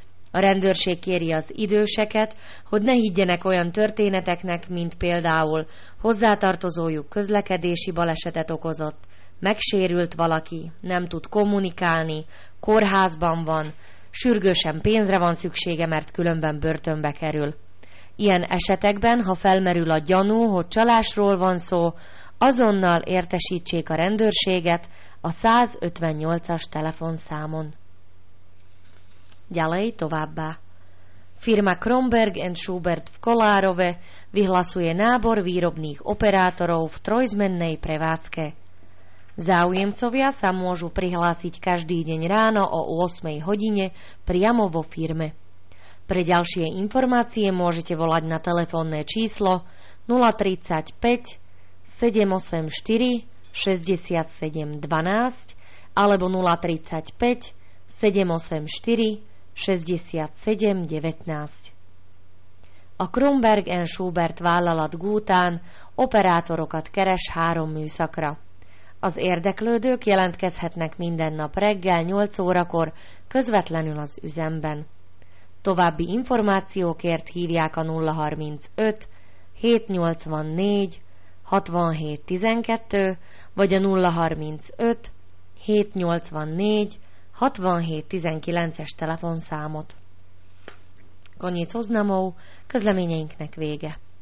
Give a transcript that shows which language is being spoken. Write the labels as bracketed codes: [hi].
[hu] A rendőrség kéri az időseket, hogy ne higgyenek olyan történeteknek, mint például hozzátartozójuk közlekedési balesetet okozott, megsérült valaki, nem tud kommunikálni, kórházban van, sürgősen pénzre van szüksége, mert különben börtönbe kerül. Ilyen esetekben, ha felmerül a gyanú, hogy csalásról van szó, azonnal értesítsék a rendőrséget a 158-as telefonszámon. Gyalej továbbá. [sk] Firma Kromberg & Schubert v Kolárove vyhlasuje nábor výrobných operátorov v trojzmennej prevádzke. Záujemcovia sa môžu prihlásiť každý deň ráno o 8 hodine priamo vo firme. Pre ďalšie informácie môžete volať na telefónne číslo 035 784 67 12 alebo 035 784 67 19. [hu] A Kromberg & Schubert vállalat Gútán operátorokat keres három műszakra. Az érdeklődők jelentkezhetnek minden nap reggel 8 órakor közvetlenül az üzemben. További információkért hívják a 035 784 67 12 vagy a 035 784 67 19-es telefonszámot. [sk] Koniec oznamov, [hu] közleményeinknek vége.